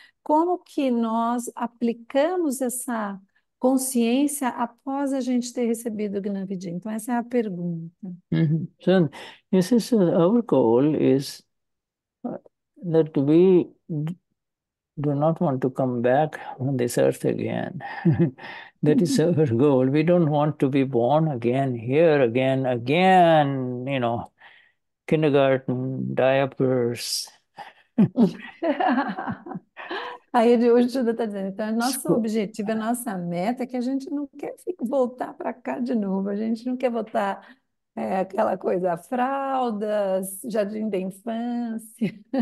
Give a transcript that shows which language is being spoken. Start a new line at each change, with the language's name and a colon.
Portuguese: Como que nós aplicamos essa consciência após a gente ter recebido o Gnana Vidhi? Então, essa é a pergunta.
English: So, this is our goal is that we do not want to come back on this earth again. That is our goal. We don't want to be born again, here again, again, you know, kindergarten, diapers.
Portuguese: Aí o Judo está dizendo, então, nosso objetivo, a nossa meta é que a gente não quer voltar para cá de novo, a gente não quer voltar aquela coisa, fraldas, jardim da infância.